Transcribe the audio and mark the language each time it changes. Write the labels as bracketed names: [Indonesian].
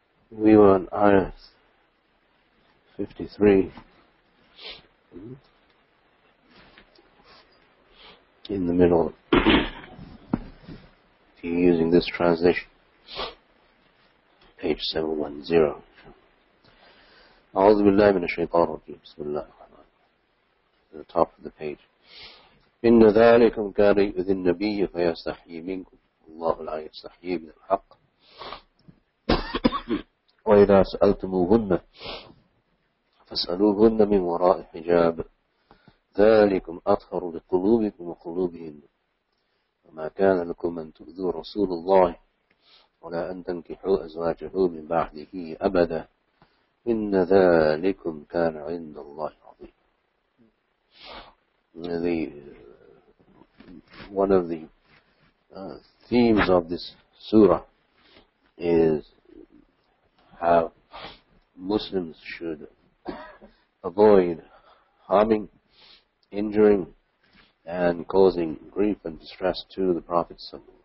[English] We were on Ayah 53 in the middle of using this translation, page 710. [Arabic] أعوذ بالله من الشيطان الرجيم. بسم الله الرحمن الرحيم. [English] At the top of the page. [Arabic] إن ذلكم كان يؤذي النبي فيستحيي منكم الله لا يستحيي من الحق. وإذا سألتموهن فاسألوهن من وراء حجاب ذلكم أطهر لقلوبكم وقلوبهن وما كان لكم أن تؤذوا رسول الله ولا أن تنكحوا أزواجه من بعده أبدا إن ذلكم كان عند الله عظيم. [English] One of the themes of this surah is how Muslims should avoid harming, injuring, and causing grief and distress to the Prophet ﷺ.